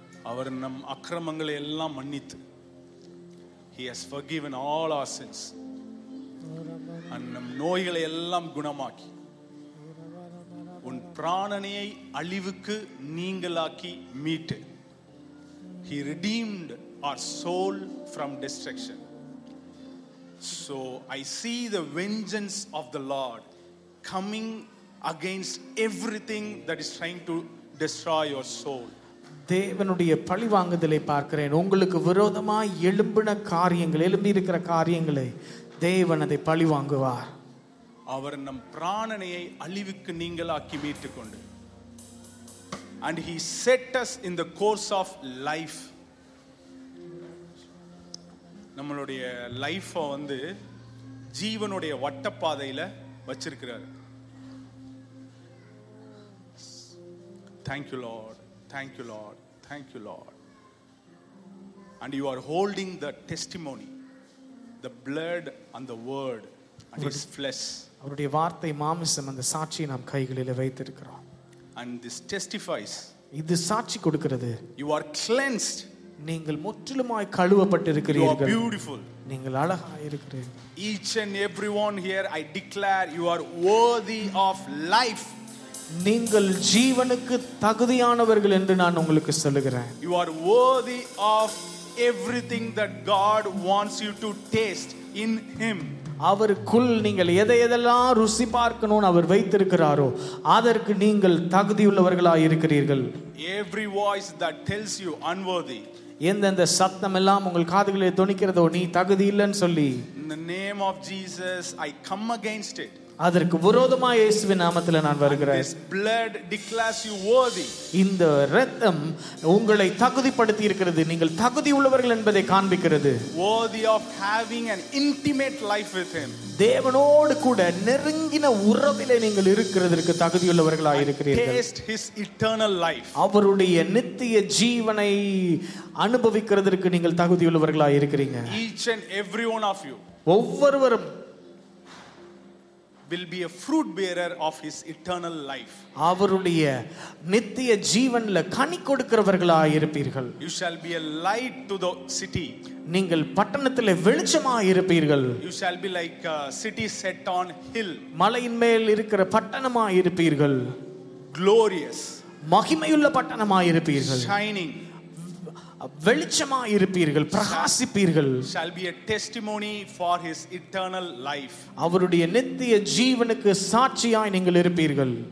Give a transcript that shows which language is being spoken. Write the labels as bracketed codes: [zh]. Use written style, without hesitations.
[ta] அவர் நம் அக்கிரமங்களை எல்லாம் மன்னித்து, [en] He has forgiven all our sins. [ta] நம் நோய்களை எல்லாம் குணமாக்கி, உன் பிராணனையை அழிவுக்கு நீங்களாக்கி மீட்டு, [en] He redeemed our soul from destruction. So I see the vengeance of the Lord coming against everything that is trying to destroy your soul. [ta] தேவனுடைய பழிவாங்குதலை பார்க்கிறேன். உங்களுக்கு விரோதமாய் எழும்பின காரியங்கள், எழும்பி இருக்கிற காரியங்களை தேவன் அதை பழிவாங்குவார். அவர் நம் பிராணனையை அழிவுக்கு நீங்களாக்கி மீட்டுக் கொண்டு, [en] And he set us in the course of life. [ta] நம்மளுடைய லைஃபை வந்து ஜீவனுடைய வட்டப்பாதையில வச்சிருக்கிறார். [en] Thank you Lord. Thank you Lord. Thank you Lord. And you are holding the testimony, the blood and the word and his flesh. [ta] அவருடைய வார்த்தை மாம்சம் அந்த சாட்சி நம் கைகளில் வைத்திருக்கிறோம். [en] And this testifies. [ta] இது சாட்சி கொடுக்கிறது. [en] You are cleansed. [ta] நீங்கள் முற்றிலுமாய் கழுவப்பட்டிருக்கிறீர்கள். [en] You are beautiful. [ta] நீங்கள் அழகாய் இருக்கிறீர்கள். [en] Each and everyone here, I declare you are worthy of life. [ta] நீங்கள் ஜீவனுக்கு தகுதியானவர்கள் என்று நான் உங்களுக்கு சொல்லுகிறேன். [en] You are worthy of everything that God wants you to taste in him. [ta] அவருக்குள் நீங்கள் எதை எதெல்லாம் ருசி பார்க்கணும்னு அவர் வைத்திருக்கிறாரோ அதற்கு நீங்கள் தகுதியுள்ளவர்களாய் இருக்கிறீர்கள். [en] Every voice that tells you unworthy. [ta] எந்தெந்த சத்தம் எல்லாம் உங்கள் காதுகளில் துணிக்கிறதோ நீ தகுதி இல்லைன்னு சொல்லி. [en] In the name of Jesus I come against it. [ta] அதற்கு விரோதமாக இயேசுவின் நாமத்தில் நான் வருகிறேன். [en] This blood declares you worthy. [ta] இந்த இரத்தம் உங்களை தகுதிப்படுத்தி இருக்கிறது. நீங்கள் தகுதி உள்ளவர்கள் என்பதை காண்பிக்கிறது. [en] Worthy of having an intimate life with him. [ta] தேவனோடு கூட நெருங்கின உறவிலே நீங்கள் இருக்கிறதற்கு தகுதி உள்ளவர்களாக இருக்கிறீர்கள். [en] Taste his eternal life. [ta] அவருடைய நித்திய ஜீவனை அனுபவிக்கிறதற்கு நீங்கள் தகுதி உள்ளவர்களாக இருக்கிறீங்க. [en] Each and every one of you. [ta] ஒவ்வொருவரும் [en] will be a fruit bearer of his eternal life. [ta] அவருடைய நித்திய ஜீவன்ல கனி கொடுக்கிறவர்களாய் இருப்பீர்கள். [en] You shall be a light to the city. [ta] நீங்கள் பட்டணத்திலே வெளிச்சமாய் இருப்பீர்கள். [en] You shall be like a city set on hill. [ta] மலையின் மேல் இருக்கிற பட்டணமாய் இருப்பீர்கள். [en] Glorious. [ta] மகிமையுள்ள பட்டணமாய் இருப்பீர்கள். [en] Shining. [ta] வெளிச்சமாய் இருப்பீர்கள், பிரகாசிப்பீர்கள். [en] Shall be a testimony for his eternal life. [ta] அவருடைய நித்திய ஜீவனுக்கு சாட்சியாய் நீங்கள் இருப்பீர்கள்.